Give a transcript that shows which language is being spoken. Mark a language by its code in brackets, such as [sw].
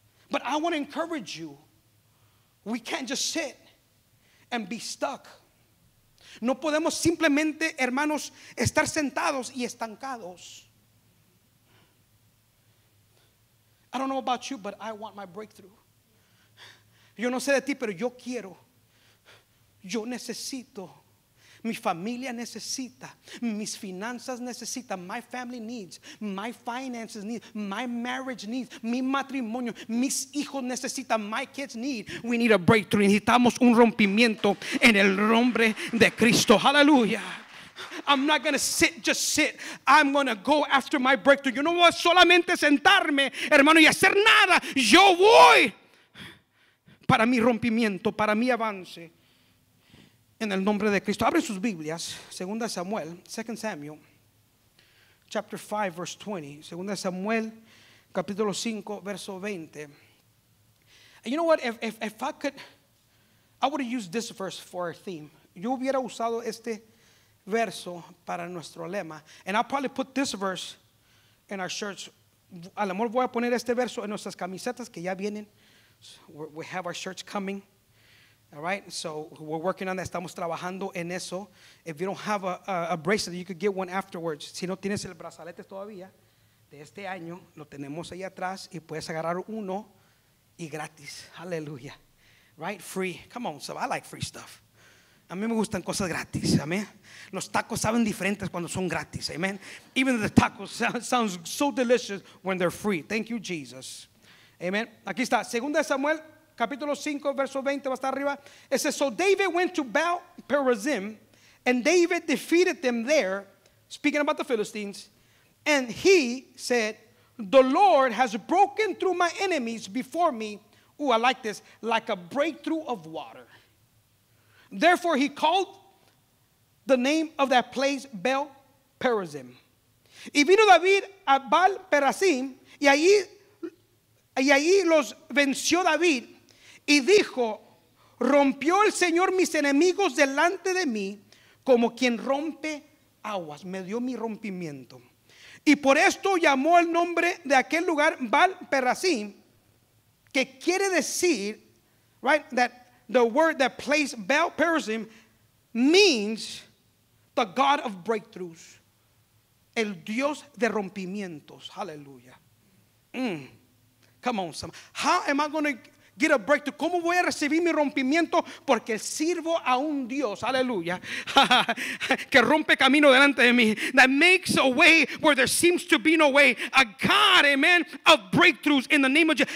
[en] But I want to encourage you. We can't just sit and be stuck. [es] No podemos simplemente, hermanos, estar sentados y estancados. [en] I don't know about you, but I want my breakthrough. [es] Yo no sé de ti, pero yo quiero. Yo necesito. Mi familia necesita. Mis finanzas necesitan. [en] My family needs. My finances need. My marriage needs. [es] Mi matrimonio. Mis hijos necesitan. [en] My kids need. We need a breakthrough. [es] Necesitamos un rompimiento en el nombre de Cristo. Hallelujah. [en] I'm not going to sit, just sit. I'm going to go after my breakthrough. [es] Yo no voy a solamente sentarme, hermano, y hacer nada. Yo voy para mi rompimiento, para mi avance. En el nombre de Cristo. Abre sus Biblias. Segunda Samuel, [en] 2 Samuel, chapter 5, verse 20. [es] Segunda Samuel, capítulo 5, verso 20. [en] And you know what? If I could, I would have used this verse for our theme. [es] Yo hubiera usado este verso para nuestro lema. [en] And I'll probably put this verse in our shirts. [es] A lo mejor voy a poner este verso en nuestras camisetas que ya vienen. [en] We have our shirts coming. All right, so we're working on that. [es] Estamos trabajando en eso. [en] If you don't have a bracelet, you could get one afterwards. [es] Si no tienes el brazalete todavía de este año, lo tenemos ahí atrás y puedes agarrar uno y gratis. [en] Hallelujah. Right, free. Come on, so I like free stuff. [es] A mí me gustan cosas gratis. Amen. Los tacos saben diferentes cuando son gratis. Amen. [en] Even the tacos sounds so delicious when they're free. Thank you, Jesus. [es] Amen. Aquí está. Segunda de Samuel. Capítulo 5, verso 20, va a estar arriba. [en] It says, so David went to Baal Perazim, and David defeated them there, speaking about the Philistines, and he said, the Lord has broken through my enemies before me, ooh, I like this, like a breakthrough of water. Therefore, he called the name of that place Baal Perazim. [es] Y vino David a Baal Perazim, y allí los venció David, y dijo, rompió el Señor mis enemigos delante de mí como quien rompe aguas. Me dio mi rompimiento. Y por esto llamó el nombre de aquel lugar Baal Perazim, que quiere decir, [en] right, that the word that place Baal Perazim means the God of breakthroughs. [es] El Dios de rompimientos. Hallelujah. [en] Come on, Sam. How am I going to get a breakthrough? [es] ¿Cómo voy a recibir mi rompimiento? Porque sirvo a un Dios, aleluya, que rompe camino delante de mí. [en] That makes a way where there seems to be no way. A God, amen, of breakthroughs in the name of Jesus.